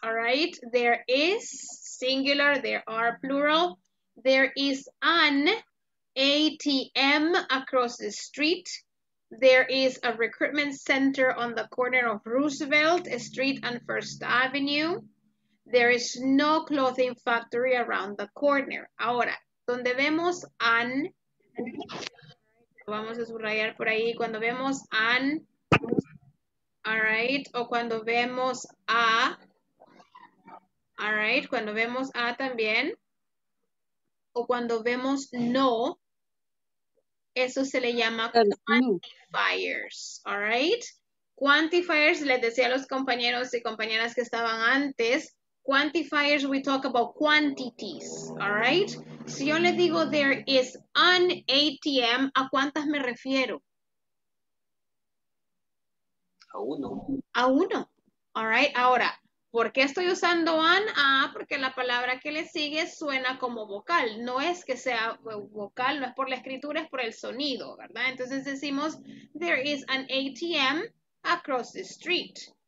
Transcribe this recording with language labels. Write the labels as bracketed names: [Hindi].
[English] All right, there is singular, there are plural. There is an ATM across the street. There is a recruitment center on the corner of Roosevelt Street and First Avenue. There is no clothing factory around the corner. [Spanish] Ahora, donde vemos an, vamos a subrayar por ahí, cuando vemos an, [English] all right, [Spanish] o cuando vemos a, all right, cuando vemos a también, o cuando vemos no, eso se le llama quantifiers, all right? Quantifiers, les decía a los compañeros y compañeras que estaban antes, quantifiers, [English] we talk about quantities, all right? [Spanish] Si yo le digo [English] there is an ATM, [Spanish] ¿a cuántas me refiero? A uno. A uno, [English] all right? [Spanish] Ahora, ¿por qué estoy usando an? Ah, porque la palabra que le sigue suena como vocal. No es que sea vocal, no es por la escritura, es por el sonido, ¿verdad? Entonces decimos [English] there is an ATM across the street.